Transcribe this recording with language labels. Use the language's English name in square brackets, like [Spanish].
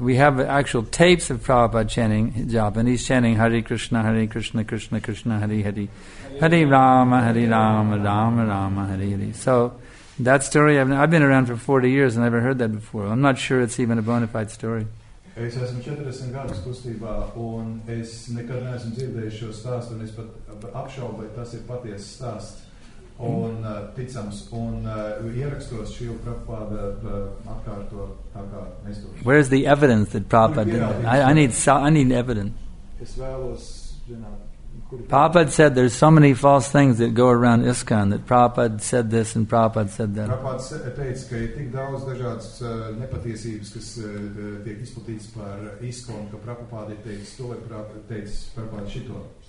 [English] We have actual tapes of Prabhupada chanting japa, and he's chanting Hare Krishna, Hare Krishna, Krishna Krishna, Hare Hare, Hare Rama, Hare Rama, Rama Rama, Hare Hare. So that story, I've been around for 40 years and never heard that before. I'm not sure it's even a bona fide story. [Latvian] Es esmu 40 gadus kustībā, un es nekad neesmu dzirdējis šo stāstu, un es pat apšaubu, vai tas ir patiesa stāsts. Un ticams, un ierakstos šī Prabhupāda atkārto, tā kā mēs to... [English] Where is the evidence that Prabhupāda did? I need evidence. [Latvian] Es vēlos, zināt, [English] Prabhupada said there's so many false things that go around ISKCON that Prabhupada said this and Prabhupada said that. [Latvian] Prabhupada teica, ka ir tik daudz dažādas nepatiesības, kas tiek izplatītas par ISKCON, ka Prabhupada teica to, teica Prabhupada šito.